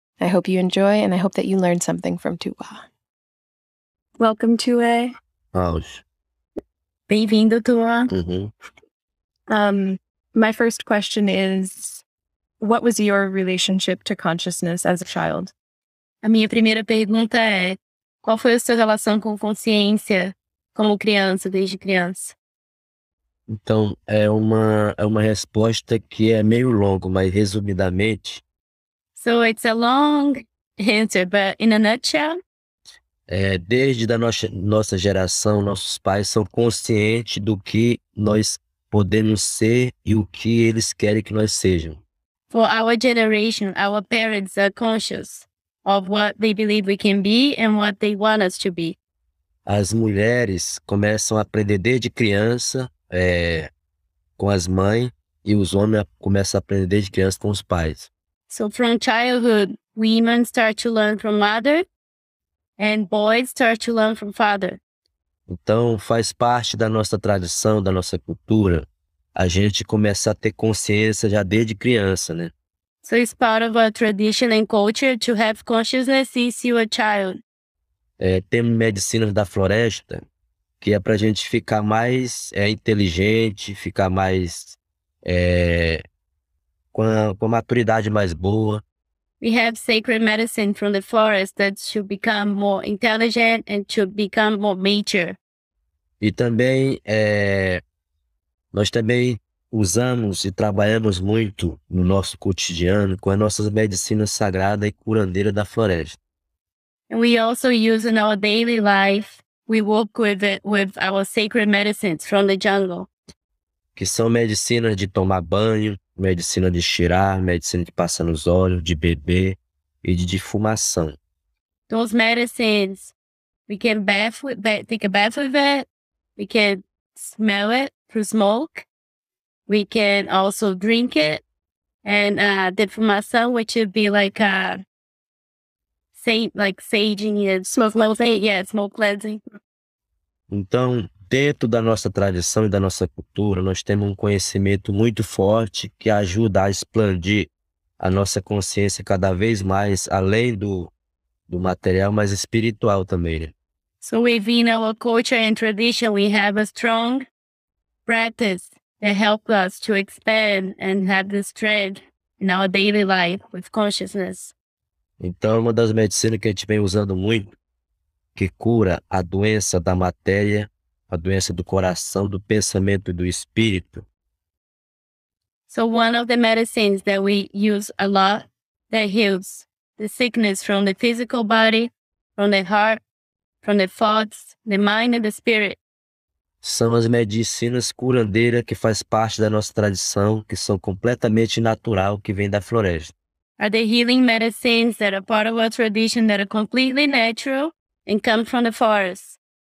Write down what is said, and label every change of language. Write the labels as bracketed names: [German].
[English] I hope you enjoy, and I hope that you learn something from Tuwa. Welcome, Tuwa. Oh. [Portuguese] Bem-vindo, Tuwa. Mm-hmm. [English] My first question is, what was your relationship to consciousness as a child? [Portuguese] A minha primeira pergunta é, qual foi a sua relação com consciência como criança, desde criança? Então, é uma resposta que é meio longa, mas resumidamente... [English] So it's a long answer, but in a nutshell... [Portuguese] É, desde a nossa geração, nossos pais são conscientes do que nós podemos ser e o que eles querem que nós sejam. [English] For our generation, our parents are conscious of what they believe we can be and what they want us to be. [Portuguese] As mulheres começam a aprender desde criança com as mães e os homens começam a aprender desde criança com os pais. [English] So from childhood, women start to learn from mother and boys start to learn from father. [Portuguese] Então, faz parte da nossa tradição, da nossa cultura, a gente começa a ter consciência já desde criança, né? [English] So it's part of our tradition and culture to have consciousness since you're a child. [Portuguese] É, tem medicinas da floresta que é pra gente ficar mais inteligente, ficar mais com a maturidade mais boa. [English] We have sacred medicine from the forest that should become more intelligent and should become more mature. [Portuguese] E também, nós também usamos e trabalhamos muito no nosso cotidiano com as nossas medicinas sagradas e curandeiras da floresta. [English] And we also use in our daily life, we work with it, with our sacred medicines from the jungle. [Portuguese] Que são medicinas de tomar banho, medicina de cheirar, medicina de passar nos olhos, de beber e de difumação. [English] Those medicines, we can bath with, take a bath with it, we can smell it through smoke, we can also drink it, and difumação, which would be like saging it, smoke cleansing. [Portuguese] Então, dentro da nossa tradição e da nossa cultura, nós temos um conhecimento muito forte que ajuda a expandir a nossa consciência cada vez mais, além do material, mas espiritual também. Né? [English] So within our culture and tradition, we have a strong practice that helps us to expand and have this thread in our daily life with consciousness. [Portuguese] Então, uma das medicinas que a gente vem usando muito, que cura a doença da matéria, a doença do coração, do pensamento e do espírito. [English] So one of the medicines that we use a lot that heals the sickness from the physical body, from the heart, from the thoughts, the mind and the spirit. [Portuguese] São as medicinas curandeiras que faz parte da nossa tradição, que são completamente natural, que vem da floresta. [English] Are the healing medicines that are part of our tradition that are completely natural and come from the forest.